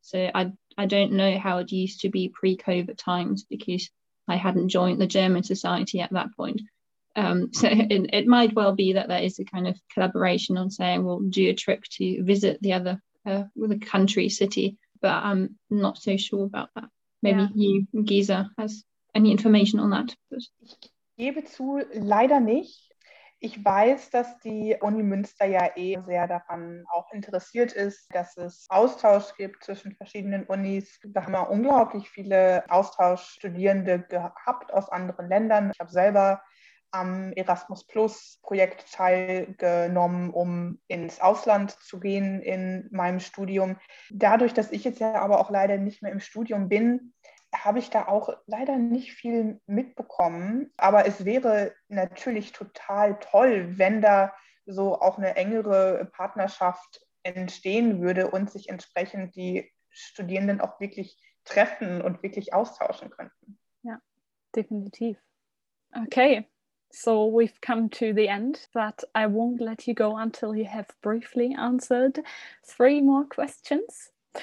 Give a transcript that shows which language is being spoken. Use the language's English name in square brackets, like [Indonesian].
[English] So I don't know how it used to be pre-COVID times, because I hadn't joined the German society at that point. So it might well be that there is a kind of collaboration on saying we'll do a trip to visit the other the country, city, but I'm not so sure about that. Maybe you, Gisa, has any information on that. [German] Ich gebe zu, leider nicht. Ich weiß, dass die Uni Münster ja eh sehr daran auch interessiert ist, dass es Austausch gibt zwischen verschiedenen Unis. Da haben wir unglaublich viele Austauschstudierende gehabt aus anderen Ländern. Ich habe selber am Erasmus Plus Projekt teilgenommen, um ins Ausland zu gehen in meinem Studium. Dadurch, dass ich jetzt ja aber auch leider nicht mehr im Studium bin, habe ich da auch leider nicht viel mitbekommen. Aber es wäre natürlich total toll, wenn da so auch eine engere Partnerschaft entstehen würde und sich entsprechend die Studierenden auch wirklich treffen und wirklich austauschen könnten. Ja, definitiv. Okay. [English] So we've come to the end, but I won't let you go until you have briefly answered three more questions.